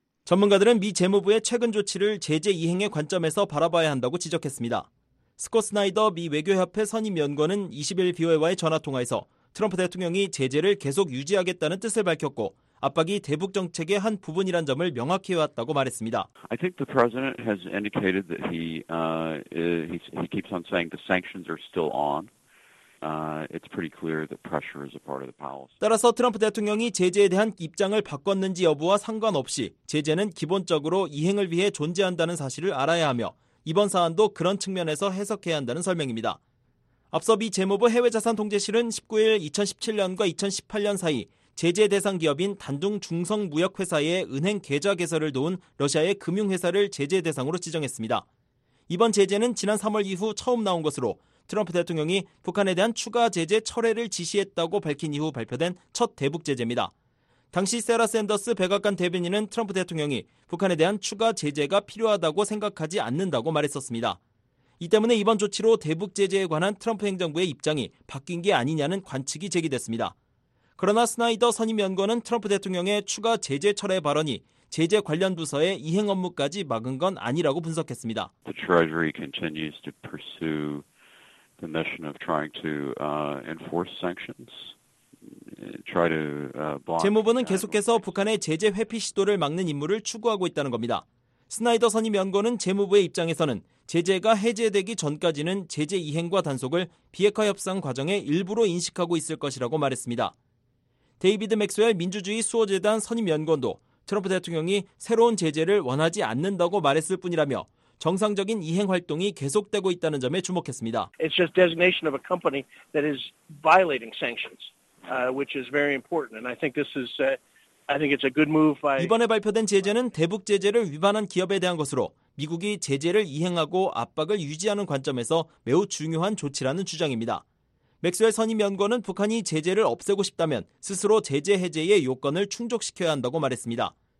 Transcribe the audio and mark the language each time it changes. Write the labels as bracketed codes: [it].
[ko] 전문가들은 미 재무부의 최근 조치를 제재 이행의 관점에서 바라봐야 한다고 지적했습니다. 스콧 스나이더 미 외교협회 선임 연구원은 20일 VOA와의 전화통화에서 트럼프 대통령이 제재를 계속 유지하겠다는 뜻을 밝혔고 압박이 대북 정책의 한 부분이란 점을 명확히 해왔다고 말했습니다. [en] I think the president has indicated that he keeps on saying the sanctions are still on. It's pretty clear that pressure is a part of the policy. [ko] 따라서 트럼프 대통령이 제재에 대한 입장을 바꿨는지 여부와 상관없이 제재는 기본적으로 이행을 위해 존재한다는 사실을 알아야 하며 이번 사안도 그런 측면에서 해석해야 한다는 설명입니다. 앞서 미 재무부 해외자산통제실은 19일 2017년과 2018년 사이 제재 대상 기업인 단둥 중성 무역회사의 은행 계좌 개설을 도운 러시아의 금융회사를 제재 대상으로 지정했습니다. 이번 제재는 지난 3월 이후 처음 나온 것으로 트럼프 대통령이 북한에 대한 추가 제재 철회를 지시했다고 밝힌 이후 발표된 첫 대북 제재입니다. 당시 세라 샌더스 백악관 대변인은 트럼프 대통령이 북한에 대한 추가 제재가 필요하다고 생각하지 않는다고 말했었습니다. 이 때문에 이번 조치로 대북 제재에 관한 트럼프 행정부의 입장이 바뀐 게 아니냐는 관측이 제기됐습니다. 그러나 스나이더 선임 연구원은 트럼프 대통령의 추가 제재 철회 발언이 제재 관련 부서의 이행 업무까지 막은 건 아니라고 분석했습니다. [en] The Treasury continues to pursue the mission of trying to enforce sanctions. Try to block. [ko] 재무부는 계속해서 북한의 제재 회피 시도를 막는 임무를 추구하고 있다는 겁니다. 스나이더 선임 연구원은 재무부의 입장에서는 제재가 해제되기 전까지는 제재 이행과 단속을 비핵화 협상 과정의 일부로 인식하고 있을 것이라고 말했습니다. 데이비드 맥스웰 민주주의 수호재단 선임 연구원도 트럼프 대통령이 새로운 제재를 원하지 않는다고 말했을 뿐이라며 정상적인 이행 활동이 계속되고 있다는 점에 주목했습니다. [en] It's just designation of a company that is violating sanctions, which is very important. And I think this is, I think it's a good move by. [ko] 이번에 발표된 제재는 대북 제재를 위반한 기업에 대한 것으로 미국이 제재를 이행하고 압박을 유지하는 관점에서 매우 중요한 조치라는 주장입니다. 맥스웰 선임 연구원은 북한이 제재를 없애고 싶다면 스스로 제재 해제의 요건을 충족시켜야 한다고 말했습니다.